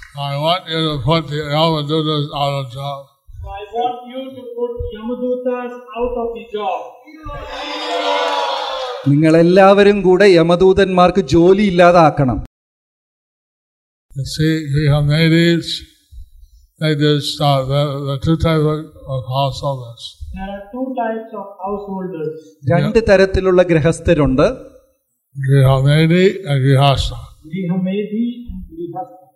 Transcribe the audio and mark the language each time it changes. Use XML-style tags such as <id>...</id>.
<en>I want you to put the Yamadutas out of job. I want you to put Yamadutas out of the job.</en> <ml>നിങ്ങളെല്ലാവരും കൂടെ യമദൂതന്മാർക്ക് ജോലി ഇല്ലാതാക്കണം.</ml> <en>See, we have ladies, the two types of householders. There are two types of householders.</en> <ml>രണ്ട് തരത്തിലുള്ള ഗൃഹസ്ഥരുണ്ട്.</ml> <en>Grihamedi and Grihastha. Grihamedi and Grihastha.</en>